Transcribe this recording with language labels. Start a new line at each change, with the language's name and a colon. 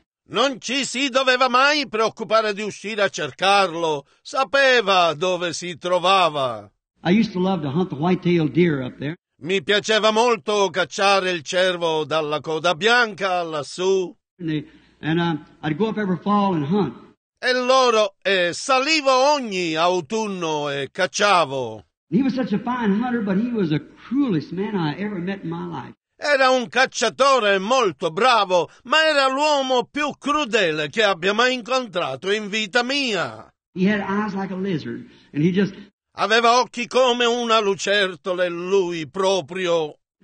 Italian: Non ci si doveva mai preoccupare di uscire a cercarlo. Sapeva dove si trovava.
English: I used to love to hunt the white-tailed deer up there.
Italian: Mi piaceva molto cacciare il cervo dalla coda bianca lassù.
English: I'd go up every fall and hunt.
Italian: E loro, salivo ogni autunno e cacciavo.
English: He was such a fine hunter, but he was the cruelest man I ever met in my life.
Italian: Era un cacciatore molto bravo, ma era l'uomo più crudele che abbia mai incontrato in vita mia.
English: He had eyes like a lizard, and he just...
Italian: Aveva occhi come una lucertola, lui proprio.